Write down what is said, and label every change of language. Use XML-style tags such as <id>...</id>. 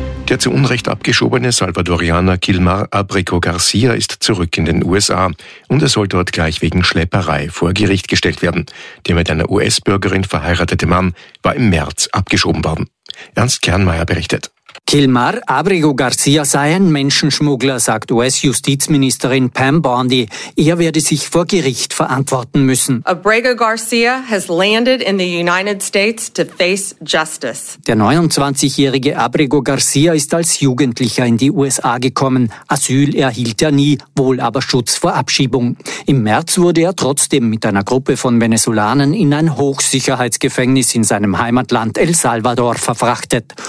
<de>Der zu Unrecht abgeschobene Salvadorianer Gilmar Abrego Garcia ist zurück in den USA und er soll dort gleich wegen Schlepperei vor Gericht gestellt werden. Der mit einer US-Bürgerin verheiratete Mann war im März abgeschoben worden. Ernst Kernmeier berichtet. Gilmar Abrego Garcia sei ein Menschenschmuggler, sagt US-Justizministerin Pam Bondi. Er werde sich vor Gericht verantworten müssen.</de> <en>Abrego Garcia has landed in the United States to face justice.</en> <de>Der 29-jährige Abrego Garcia ist als Jugendlicher in die USA gekommen. Asyl erhielt er nie, wohl aber Schutz vor Abschiebung. Im März wurde er trotzdem mit einer Gruppe von Venezolanern in ein Hochsicherheitsgefängnis in seinem Heimatland El Salvador verfrachtet.</de>